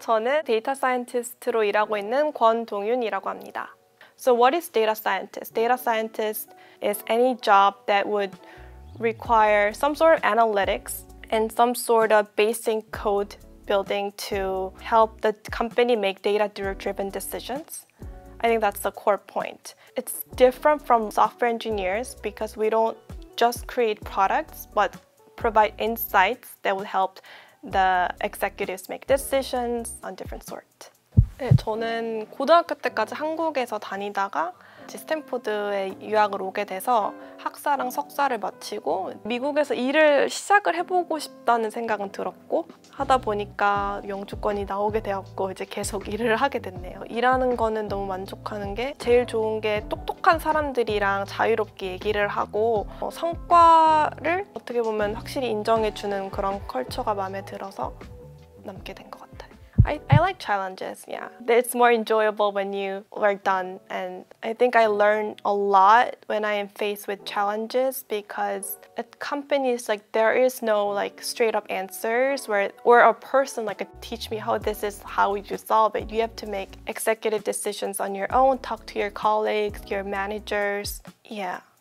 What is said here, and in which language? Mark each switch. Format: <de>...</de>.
<ko>저는 데이터 사이언티스트로 일하고 있는 권동윤이라고 합니다.</ko> <en>So what is data scientist? Data scientist is any job that would require some sort of analytics and some sort of basic code building to help the company make data-driven decisions. I think that's the core point. It's different from software engineers because we don't just create products but provide insights that would help the executives make decisions on different sort.</en> <ko>네, 저는 고등학교 때까지 한국에서 다니다가 스탠포드에 유학을 오게 돼서 학사랑 석사를 마치고 미국에서 일을 시작을 해보고 싶다는 생각은 들었고 하다 보니까 영주권이 나오게 되었고 이제 계속 일을 하게 됐네요. 일하는 거는 너무 만족하는 게 제일 좋은 게 똑똑한 사람들이랑 자유롭게 얘기를 하고 성과를 어떻게 보면 확실히 인정해주는 그런 컬처가 마음에 들어서 남게 된 것 같아요.</ko> <en>I like challenges, yeah. It's more enjoyable when you are done. And I think I learn a lot when I am faced with challenges because at companies, like, there is no, like, straight-up answers where a person, like, teach me how this is how you solve it. You have to make executive decisions on your own, talk to your colleagues, your managers. Yeah.</en>